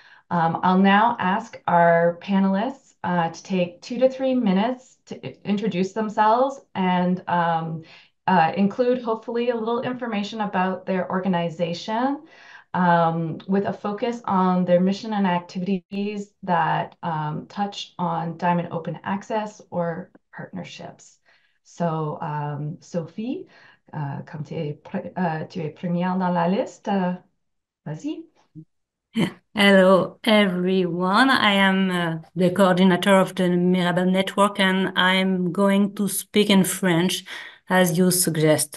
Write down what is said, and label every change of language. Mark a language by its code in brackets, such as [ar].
[en] I'll now ask our panelists to take 2 to 3 minutes to introduce themselves and include hopefully a little information about their organization with a focus on their mission and activities that touch on diamond open access or partnerships. [fr] So, Sophie, comme tu es première dans la liste, vas-y. [en] Hello, everyone. I am the coordinator of the Mirabel Network, and I'm going to speak in French, as you suggest.